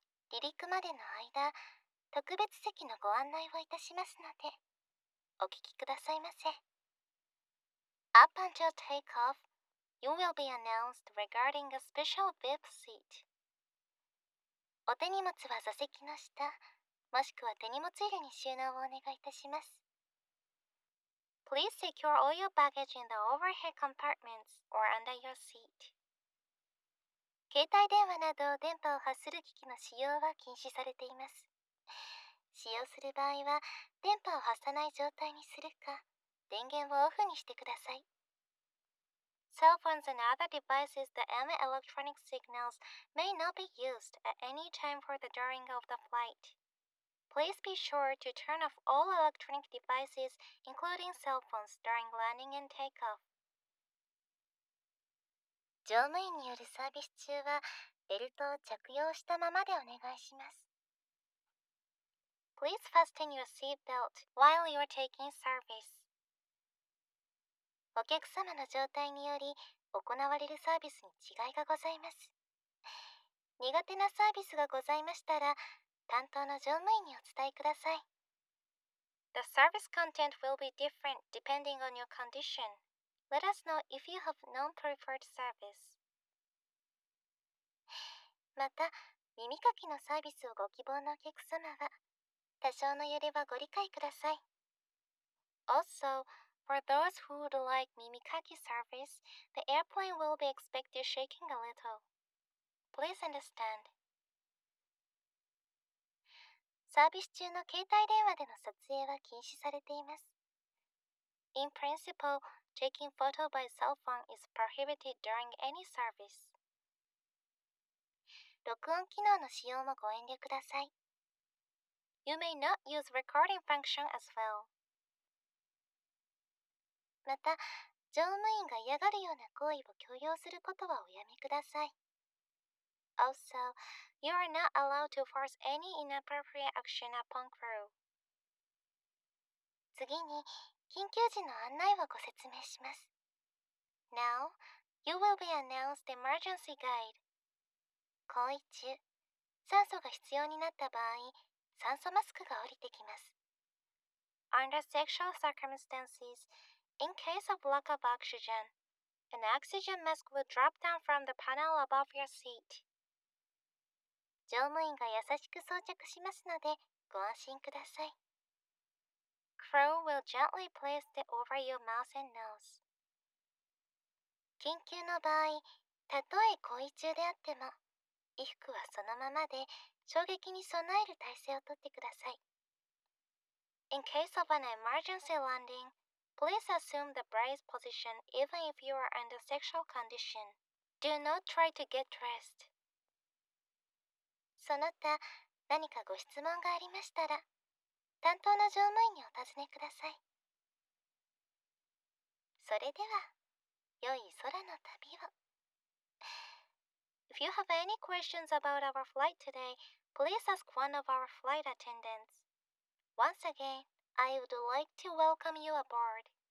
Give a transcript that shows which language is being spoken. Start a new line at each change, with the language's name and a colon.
Japanese: 離陸までの間、特別席のご案内をいたしますので、お聞きくださいませ。
English: Up until takeoff, you will be announced regarding a special VIP seat.
Japanese: お手荷物は座席の下、もしくは手荷物入れに収納をお願いいたします。
English: Please secure all your baggage in the overhead compartments or under your seat.
Japanese: 携帯電話など電波を発する機器の使用は禁止されています。使用する場合は電波を発さない状態にするか、電源をオフにしてください。
English: Cell phones and other devices that emit electronic signals may not be used at any time for the during of the flight. Please be sure to turn off all electronic devices, including cell phones, during landing and takeoff.
Japanese: 乗務員によるサービス中は、ベルトを着用したままでお願いします。
English: Please fasten your seatbelt while you're taking service.
Japanese: お客様の状態により、行われるサービスに違いがございます。苦手なサービスがございましたら、担当の乗務員にお伝えください。
English: The service content will be different depending on your condition. Let us know if you have non-preferred service.
Japanese: また、耳かきのサービスをご希望のお客様は、多少の揺れはご理解ください。
English: Also, for those who would like 耳かき service, the airplane will be expected shaking a little. Please understand.
Japanese: サービス中の携帯電話での撮影は禁止されています。
English: In principle, taking photo by cell phone is prohibited during any service.
Japanese: 録音機能の使用もご遠慮ください。
English: You may not use recording function as well.
Japanese: また、乗務員が嫌がるような行為を強要することはおやめください。
English: Also, you are not allowed to force any inappropriate action upon crew.
Japanese: 次に、緊急時の案内をご説明します。
English: Now, you will be announced emergency guide.
Japanese: 行為中、酸素が必要になった場合、酸素マスクが降りてきます。
English: Under special circumstances, in case of lack of oxygen, an oxygen mask will drop down from the panel above your seat.
Japanese: 乗務員が優しく装着しますので、ご安心ください。
English: Crew will gently place it over your mouth and nose.
Japanese: 緊急の場合、たとえ行為中であっても、衣服はそのままで、衝撃に備える体勢をとってください。
English: In case of an emergency landing, please assume the brace position even if you are under sexual condition. Do not try to get dressed.
Japanese: その他、何かご質問がありましたら、担当の乗務員にお尋ねください。それでは、良い空の旅を。
English: If you have any questions about our flight today, please ask one of our flight attendants. Once again, I would like to welcome you aboard.